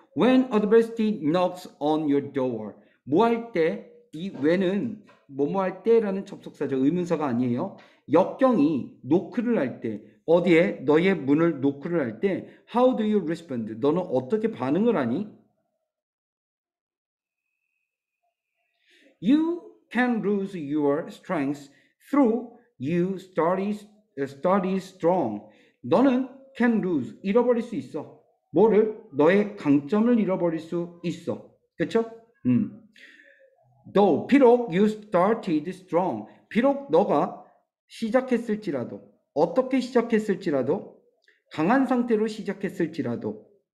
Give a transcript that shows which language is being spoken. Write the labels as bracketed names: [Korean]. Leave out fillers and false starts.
[English] When adversity knocks on your door. [Korean] 뭐 할 때, 이 when은 뭐뭐 할 때라는 접속사죠. 의문사가 아니에요. 역경이 노크를 할 때, 어디에 너의 문을 노크를 할 때, [English] How do you respond? [Korean] 너는 어떻게 반응을 하니? [English] You can lose your strength through you study strong. [Korean] 너는 can lose, 잃어버릴 수 있어. 뭐를? 너의 강점을 잃어버릴 수 있어. 그쵸? Though, 비록 [English] you started strong. [Korean] 비록 너가 시작했을지라도, 어떻게 시작했을지라도, 강한 상태로 시작했을지라도.